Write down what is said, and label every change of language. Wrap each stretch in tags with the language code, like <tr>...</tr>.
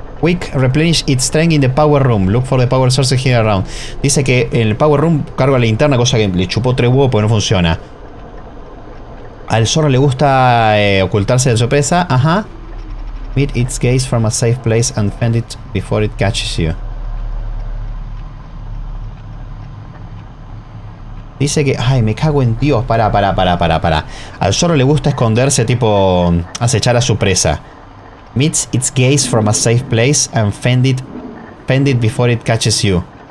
<en>Quick, replenish its strength in the power room. Look for the power source here around.</en> <es>Dice que en el power room carga la linterna, cosa que le chupó tres huevos porque no funciona. Al zorro le gusta ocultarse de sorpresa. Ajá.</es> <en>Meet its gaze from a safe place and fend it before it catches you.</en> <es>Dice que... Ay, me cago en Dios. Pará. Al zorro le gusta esconderse, tipo... acechar a su presa.</es> <en>Meets its gaze from a safe place and fend it before it catches you.</en>